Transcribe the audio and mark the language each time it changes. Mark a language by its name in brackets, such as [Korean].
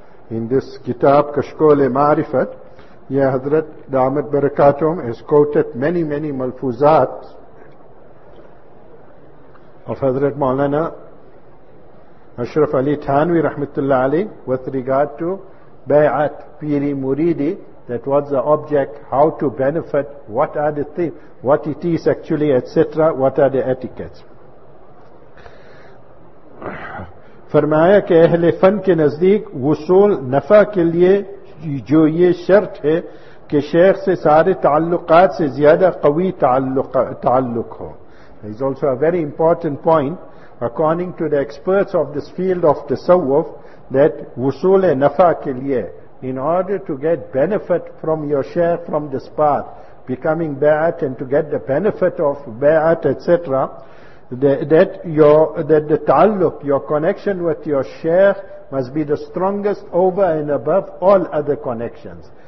[English] In this kitab, Kashkol-e-Marifat, yeah, Hazrat Damat Barakatum has quoted many, many malfuzat of Hazrat Maulana Ashraf Ali Thanvi Rahmatullah Ali with regard to Bayat Piri Muridi, that was the object, how to benefit, what are the things, what it is actually, etc., what are the etiquettes. [Urdu] فرمایا کہ اہل فن کے نزدیک وصول نفع کے لیے جو یہ شرط ہے کہ شیخ سے سارے تعلقات سے زیادہ قوی تعلق ہو. [English] It's also a very important point according to the experts of this field of tasawuf, that [Urdu] وصول نفع کے لیے, [English] in order to get benefit from your shaykh, from this path becoming bayat, and to get the benefit of bayat, etc., that the ta'alluq, your connection with your shaykh, must be the strongest over and above all other connections.